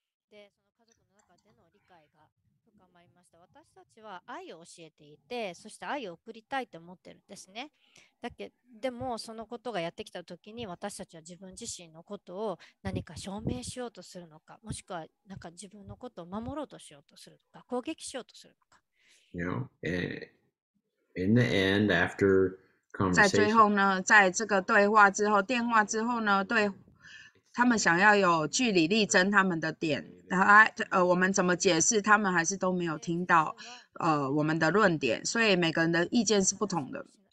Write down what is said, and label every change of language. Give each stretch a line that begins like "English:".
Japanese: でその家族の中での理解が深まりました。私たちは愛を教えていて、そして愛を送りたいと思ってるんですね。だけでもそのことがやってきた時に私たちは自分自身のことを何か証明しようとするのかもしくはなんか自分のことを守ろうとしようとするのか攻撃しようとするのか
English: You know, and in the end, after conversation,
Chinese: 在最后呢，在这个对话之后，电话之后呢，对他们想要有据理力争他们的点，我们怎么解释，他们还是都没有听到，我们的论点，所以每个人的意见是不同的。